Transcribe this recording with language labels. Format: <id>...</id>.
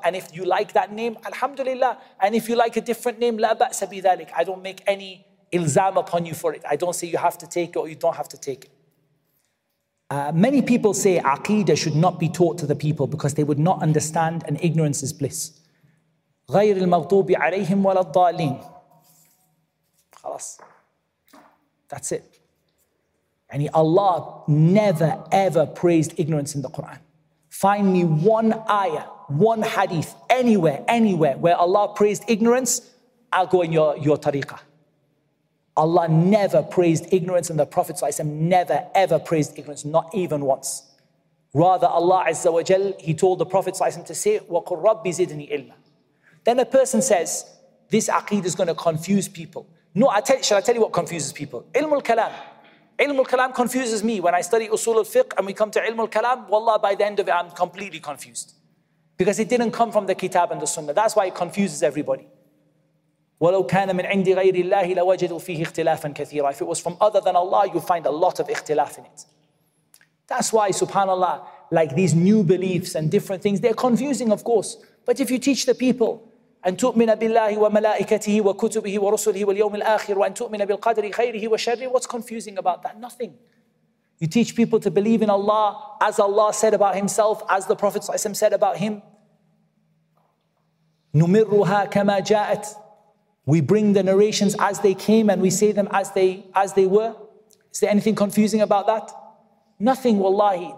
<en>And if you like that name, alhamdulillah. And if you like a different name,</en> <ar>la ba'sa bi dhalik.</ar> <en>I don't make any ilzam upon you for it. I don't say you have to take it or you don't have to take it. Many people say aqidah should not be taught to the people because they would not understand and ignorance is bliss.</en> <ar>غير المغضوب عليهم ولا الضالين.</ar> <en>That's it. And Allah never ever praised ignorance in the Quran. Find me one ayah, one hadith, anywhere where Allah praised ignorance, I'll go in your tariqah. Allah never praised ignorance and the Prophet ﷺ never ever praised ignorance, not even once. Rather, Allah Azza wa Jal, he told the Prophet ﷺ to say,</en> <ar>وَقُلْ رَبِّ زِدْنِي إِلْمًا.</ar> <en>Then a person says, this aqidah is going to confuse people. No, shall I tell you what confuses people? Ilm al-Kalam. Ilm al-Kalam confuses me. When I study Usul al-Fiqh and we come to Ilm al-Kalam, wallah, by the end of it, I'm completely confused. Because it didn't come from the Kitab and the Sunnah. That's why it confuses everybody.</en> <ar>وَلَوْ كَانَ مِنْ عِنْدِ غَيْرِ اللَّهِ لَوَجَدُوا فِيهِ اخْتِلَافًا كَثِيرًا.</ar> <en>If it was from other than Allah, you'll find a lot of ikhtilaf in it. That's why, subhanAllah, like these new beliefs and different things, they're confusing, of course. But if you teach the people,</en> <ar>أن تؤمن بالله وملائكته وكتبه ورسله واليوم الآخر وأن تؤمن بالقدر خيره وشره.</ar> <en>What's confusing about that? Nothing. You teach people to believe in Allah as Allah said about himself, as the Prophet ﷺ said about him.</en> <ar>نُمِرُّهَا كَمَا جَاءَتْ.</ar> <en>We bring the narrations as they came and we say them as they were. Is there anything confusing about that? Nothing, wallahi.</en>